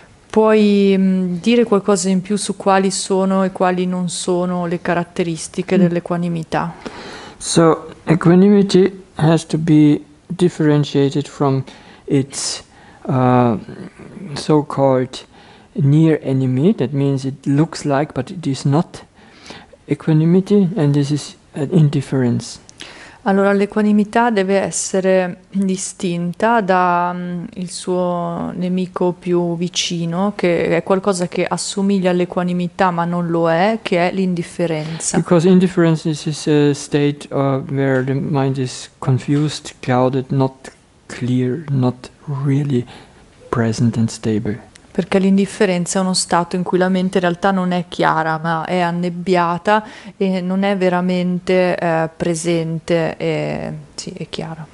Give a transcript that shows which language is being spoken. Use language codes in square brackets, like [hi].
[it] Puoi dire qualcosa in più su quali sono e quali non sono le caratteristiche dell'equanimità? [en] So equanimity has to be differentiated from its so-called near enemy. That means it looks like, but it is not equanimity, and this is an indifference. [it] Allora, l'equanimità deve essere distinta da il suo nemico più vicino, che è qualcosa che assomiglia all'equanimità ma non lo è, che è l'indifferenza. [en] Because indifference is a state where the mind is confused, clouded, not clear, not really present and stable. [it] Perché l'indifferenza è uno stato in cui la mente in realtà non è chiara, ma è annebbiata e non è veramente presente e sì, è chiara.